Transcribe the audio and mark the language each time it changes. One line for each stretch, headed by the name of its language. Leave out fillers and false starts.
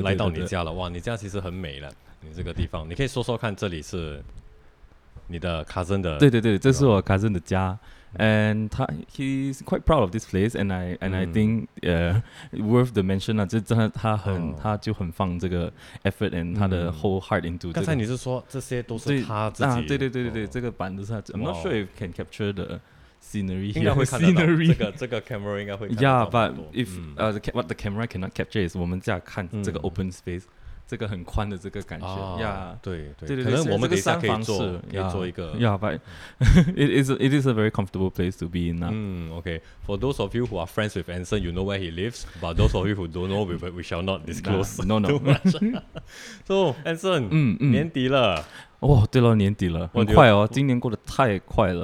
Chinese: 来到你家了。哇，你家其实很美了，你这个地方，你可以说说看，这里是你的 cousin 的，对对对，这是我 cousin 的家。
English: And he's quite proud of this place, and I think worth the mention
Chinese: 啊，就真的他很、他就很放这个
English: effort and 他的 whole heart into、
Chinese: 这个。刚才你是说这些都是他自己？对对对对对、这个板子是他。
English: I'm not sure if can capture the scenery here.
Chinese: 应该会看得到 scenery 这个 camera 应该会看得到。
English: Yeah, but if what the camera cannot capture is
Chinese: 我们家看这个
English: open space。
Chinese: 这个很宽的这个感觉、对，可能我们等一下可以做一个
English: it is a very comfortable place to be in、 okay. For those of you who are friends with Anson, you know where he lives, but those of you who don't know, we shall not disclose no too much. So Anson、
Chinese: 年底了哇、对了，年底了，很快哦，今年过得太快了。